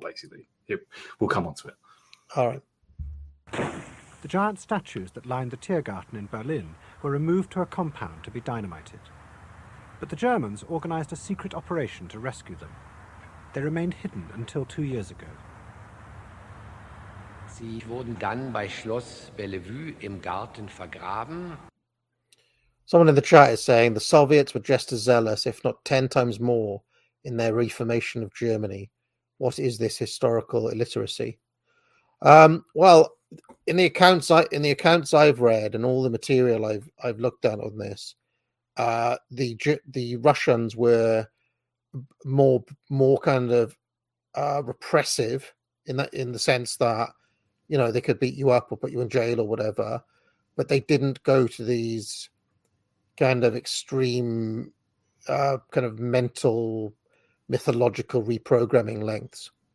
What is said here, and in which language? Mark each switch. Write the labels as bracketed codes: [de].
[en] Basically, we'll come on to it. All right. The giant statues that lined the Tiergarten in Berlin were removed to a compound to be dynamited. But the Germans organized a secret operation to rescue them. They remained hidden until 2 years ago. [de] Sie wurden dann bei Schloss Bellevue im Garten vergraben. [en] Someone in the chat is saying the Soviets were just as zealous, if not 10 times more, in their reformation of Germany. What is this historical illiteracy? Well, in the accounts I've read and all the material I've looked at on this, the Russians were more kind of repressive in the sense that, you know, they could beat you up or put you in jail or whatever, but they didn't go to these kind of extreme kind of mental mythological reprogramming lengths.